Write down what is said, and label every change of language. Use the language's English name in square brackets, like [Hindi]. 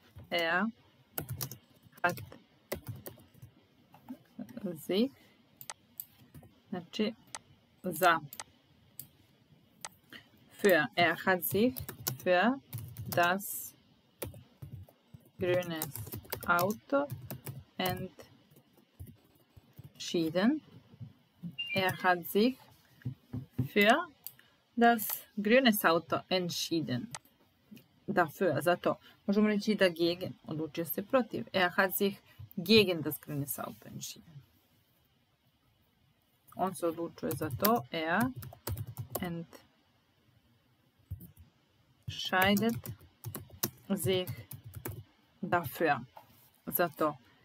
[German] Er hat sich, [Serbian] znači za, [German] für, er hat sich für das grüne Auto entschieden. Er hat sich für das grüne Auto entschieden. Dafür, [Serbian] zato. Možemo reći da gegen, odlučio se protiv. [German] Er hat sich gegen das grüne Auto entschieden. [Serbian] On se odlučuje za to. [German] Er entscheidet sich dafür. [Serbian] Za to.